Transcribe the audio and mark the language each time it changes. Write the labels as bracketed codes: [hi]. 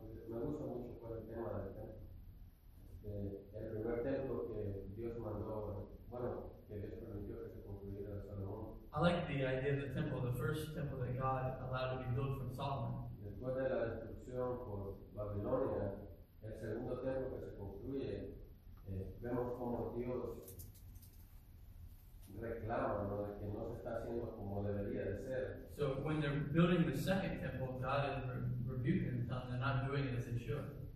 [es] Me gusta mucho por el tema del templo. El primer templo que Dios mandó, bueno, que Dios permitió que se construyera Salomón. [en] I like the idea of the temple, the first temple that God allowed to be built from Solomon. [es] Después de la destrucción por Babilonia, el segundo templo que se construye, vemos cómo Dios reclama, ¿no?, de que no se está haciendo como debería de ser. [en] So when they're building the second temple, God is rebuking them, they're not doing it as it should.